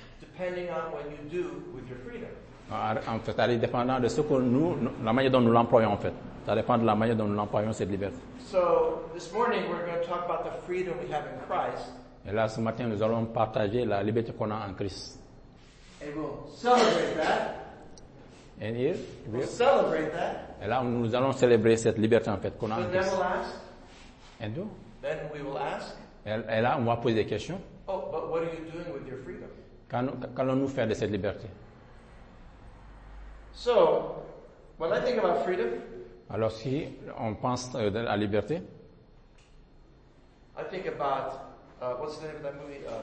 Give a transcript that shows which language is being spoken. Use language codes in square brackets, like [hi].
[en] Depending on what you do with your freedom. [fr] En fait, ça dépend de ce que nous, la manière dont nous l'employons en fait. Ça dépend de la manière dont nous l'employons cette liberté. [en] So, this morning we're going to talk about the freedom we have in Christ. [fr] Et là, ce matin, nous allons partager la liberté qu'on a en Christ. [en] And we'll celebrate that. And here, we'll celebrate that. [fr] Et là, nous allons célébrer cette liberté en fait qu'on a en Christ. [en] Then we'll ask. And do? Then we will ask. [fr] Et là, on va poser des questions. [en] Oh, but what are you doing with your freedom? [fr] Qu'allons-nous faire de cette liberté? [en] So, when I think about freedom, [fr] alors si on pense à la liberté, [en] I think about what's the name of that movie?